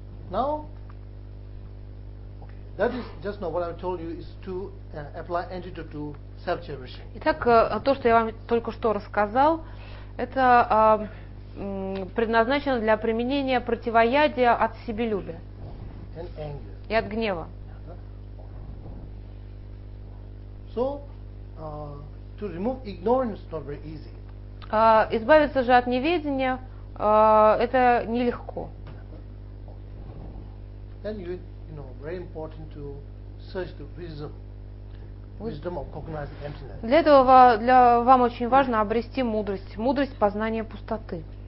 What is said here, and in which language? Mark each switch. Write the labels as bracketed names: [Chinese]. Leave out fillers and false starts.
[English] Now, that is just now what I told you is to apply energy to self-cherishing. [Russian] Итак, то, что я вам только что рассказал, это предназначено для применения противоядия от себелюбия [English] and anger. [Russian] И от гнева. [English] So, to remove ignorance is not very easy. [Russian] Избавиться же от неведения это нелегко. [English] Then you, you know, very important to search the wisdom, wisdom of cognizing emptiness. [Russian] Для этого вам очень важно обрести мудрость, мудрость познания пустоты.